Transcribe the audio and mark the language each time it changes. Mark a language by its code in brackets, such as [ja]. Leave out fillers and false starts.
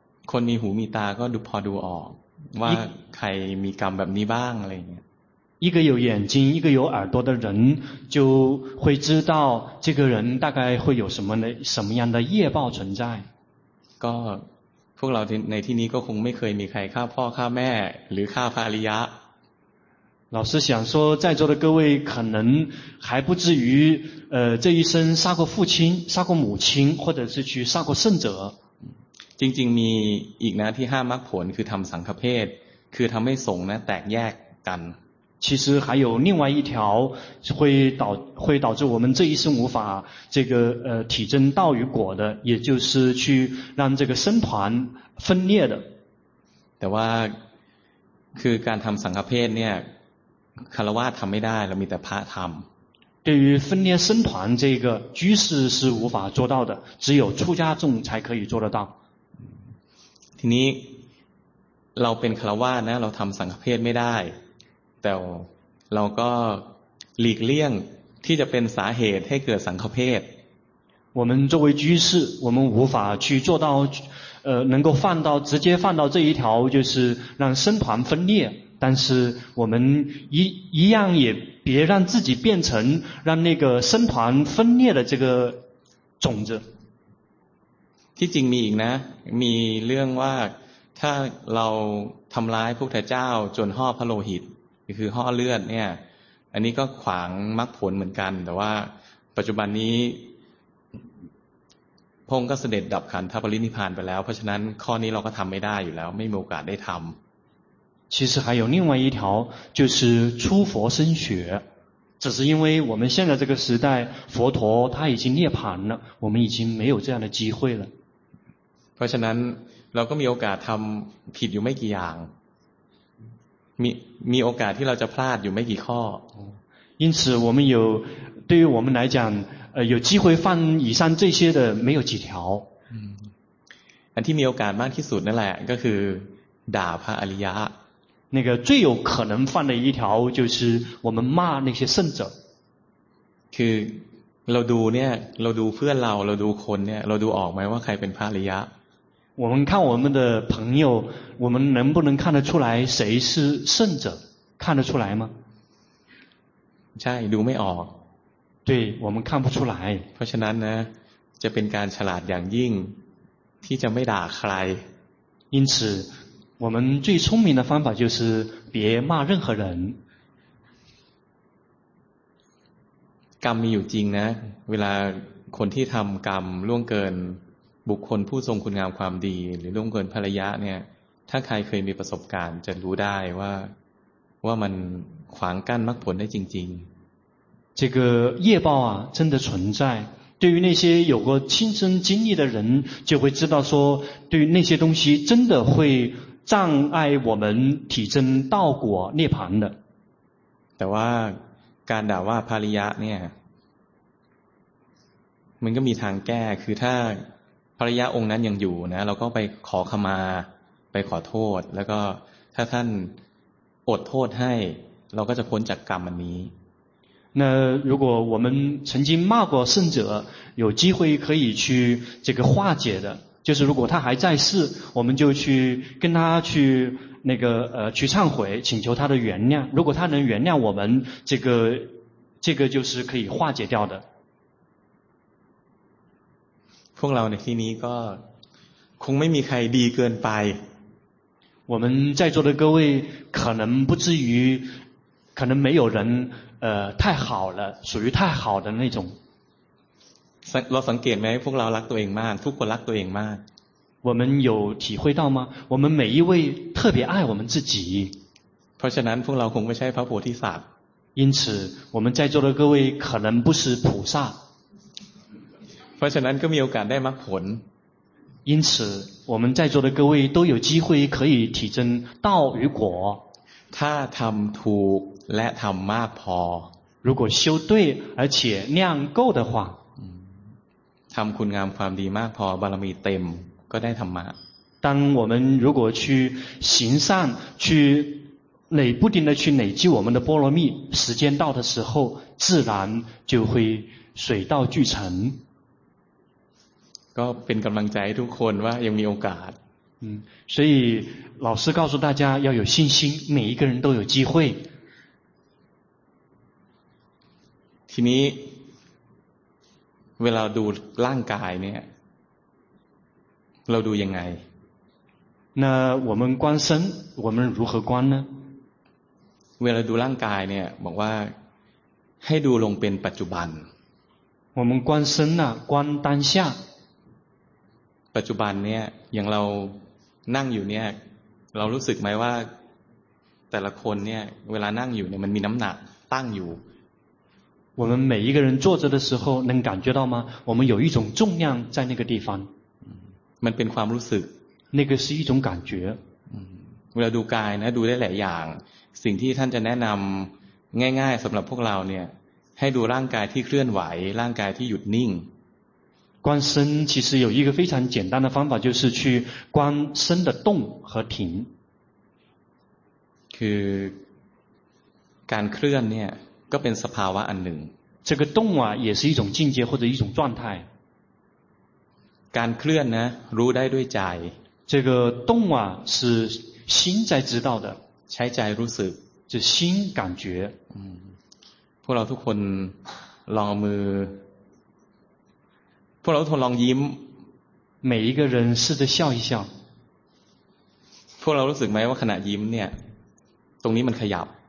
[th] คนมีหูมีตาก็ดูพอดูออกว่าใครมีกรรมแบบนี้บ้างอะไรเงี้ย [zh] 一个有眼睛一个有耳朵的人就会知道这个人大概会有什么样的业报存在 [th] ก็พวกเราในที่นี้ก็คงไม่เคยมีใครฆ่าพ่อฆ่าแม่หรือฆ่าภริยา [zh] 老师想说在座的各位可能还不至于这一生杀过父亲杀过母亲或者是去杀过圣者 [th] จริงๆมีอีกนะที่ห้ามมรรคผลคือทำสังฆเภทคือทำให้สงฆ์นะแตกแยกกัน [zh] 其实还有另外一条会导致我们这一生无法这个体证道与果的也就是去让这个僧团分裂的 [th] แต่ว่าคือการทำสังฆเภทเนี่ยคารวะทำไม่ได้เรามีแต่พระทำ [zh] 对于分裂僧团这个居士是无法做到的只有出家众才可以做得到 [th] ทีนี้เราเป็นคารวะนะเราทำสังฆเภทไม่ได้แต่เราก็หลีกเลี่ยงที่จะเป็นสาเหตุให้เกิดสังฆเภท [zh] 我们作为居士我们无法去做到能够放到直接放到这一条就是让僧团分裂但是我们一样也别让自己变成让那个僧团分裂的这个种子。 [th] ที่จริงมีอีกนะมีเรื่องว่าถ้าเราทำร้ายพระพุทธเจ้าจนห่อพระโลหิตคือห่อเลือดเนี่ยอันนี้ก็ขวางมรรคผลเหมือนกันแต่ว่าปัจจุบันนี้พระองค์ก็เสด็จดับขันธปรินิพพานไปแล้วเพราะฉะนั้นข้อนี้เราก็ทำไม่ได้อยู่แล้วไม่มีโอกาสได้ทำ [zh] 其实还有另外一条就是出佛身血只是因为我们现在这个时代佛陀他已经涅槃了我们已经没有这样的机会了 [th] เพราะฉะนั้นเราก็มีโอกาสทำผิดอยู่ไม่กี่อย่างมีโอกาสที่เราจะพลาดอยู่ไม่กี่ข้อ [zh] 因此我们有对于我们来讲有机会犯以上这些的没有几条 [th] อันที่มีโอกาสมากที่สุดนั่นแหละก็คือด่าพระอริยะ [zh] 那个最有可能犯的一条就是我们骂那些圣者 [th] คือเราดูเนี่ยเราดูเพื่อนเราดูคนเนี่ยเราดูออกไหมว่าใครเป็นพระอริยะ [zh] 我们看我们的朋友我们能不能看得出来谁是圣者看得出来吗 [th] ใช่ดูไม่ออก [zh] 对我们看不出来 [th] เพราะฉะนั้นนะจะเป็นการฉลาดอย่างยิ่งที่จะไม่ด่าใคร [zh] 因此我们最聪明的方法就是别骂任何人 [th] กรรมมีอยู่จริงนะเวลาคนที่ทำกรรมล่วงเกินบุคคลผู้ทรงคุณงามความดีหรือล่วงเกินภรรยาเนี่ยถ้าใครเคยมีประสบการณ์จะรู้ได้ว่ามันขวางกั้นมรรคผลได้จริง [zh] ๆ这个业报啊真的存在对于那些有过亲身经历的人就会知道说对于那些东西真的会障碍我们体证道果涅槃的 [th] แต่ว่าการด่าว่าภริยะเนี่ยมันก็มีทางแก้คือถ้าภริยะองค์นั้นยังอยู่นะเราก็ไปขอขมาไปขอโทษแล้วก็ถ้าท่านอดโทษให้เราก็จะพ้นจากกรรมอันนี้ [zh] 那如果我们曾经骂过圣者有机会可以去这个化解的就是如果他还在世我们就去跟他去那个去忏悔请求他的原谅如果他能原谅我们这个就是可以化解掉的 [th] พวกเราในที่นี้ก็คงไม่มีใครดีเกินไป [zh] 我们在座的各位可能不至于可能没有人太好了属于太好的那种 [th] เราสังเกตไหมพวกเรารักตัวเองมากทุกคนรักตัวเองมาก [zh] 我们有体会到吗我们每一位特别爱我们自己 [th] เพราะฉะนั้นพวกเราคงไม่ใช่พระโพธิสัตว์ [zh] 因此我们在座的各位可能不是菩萨 [th] เพราะฉะนั้นก็มีโอกาสได้มรรคผล [zh] 因此我们在座的各位都有机会可以体证道与果 [th] ถ้าทำถูกและทำมากพ [zh] อ如果修对而且量够的话 [th] ทำคุณงามความดีมากพอบารมีเต็มก็ได้ธรรมะ [zh] 当我们如果去行善去累不停的去累积我们的波罗蜜时间到的时候自然就会水到渠成 [th] ก็เป็นกำลังใจให้ทุกคนว่ายังมีโอกาส [zh] 所以老师告诉大家要有信心每一个人都有机会 [th] ทีนี้เวลาดูร่างกายเนี่ยเราดูยังไง [zh] 那我们观身我们如何观呢 [th] เวลาดูร่างกายเนี่ยบอกว่าให้ดูลงเป็นปัจจุบัน [zh] 我们观身呢观当下 [th] ปัจจุบันเนี่ยอย่างเรานั่งอยู่เนี่ยเรารู้สึกไหมว่าแต่ละคนเนี่ยเวลานั่งอยู่เนี่ยมันมีน้ำหนักตั้งอยู่ [zh] 我们每一个人坐着的时候能感觉到吗我们有一种重量在那个地方 [th] มันเป็นความรู้สึก [zh] 那个是一种感觉 [th] เวลาดูกายนะดูได้หลายอย่างสิ่งที่ท่านจะแนะนําง่ายๆสําหรับพวกเราเนี่ยให้ดูร่างกายที่เคลื่อนไหวร่างกายที่หยุดนิ่ง [zh] 观身其实有一个非常简单的方法就是去观身的动和停 [th] คือการเคลื่อนเนี่ยก็เป็นสภาวะอันหนึ่ง [zh] 这个动啊也是一种境界或者一种状态 [th] การเคลื่อนนะรู้ได้ด้วยใจ [zh] 这个动啊是心在知道的 [th] ใช้ใจรู้สึก [zh] 是心感觉 [th] พวกเราทุกคนลองมือพวกเราทุกคนลองยิ้ม [zh] 每一个人试着笑一笑 [th] พวกเรารู้สึกไหมว่าขณะยิ้มเนี่ยตรงนี้มันขยับ